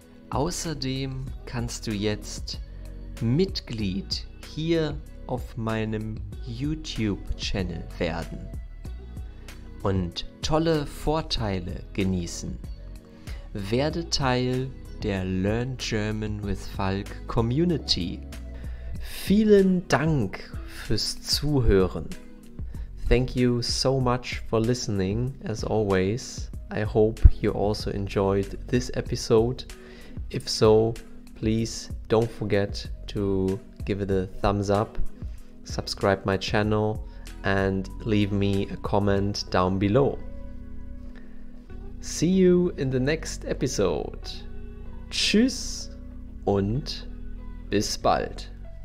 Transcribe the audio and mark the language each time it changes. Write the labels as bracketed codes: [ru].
[de] Außerdem kannst du jetzt Mitglied hier auf meinem YouTube-Channel werden und tolle Vorteile genießen. Werde Teil der Learn German with Falk Community. Vielen Dank fürs Zuhören. [en] Thank you so much for listening, as always. I hope you also enjoyed this episode. If so, please don't forget to give it a thumbs up, subscribe my channel, and leave me a comment down below. See you in the next episode. [de] Tschüss und bis bald.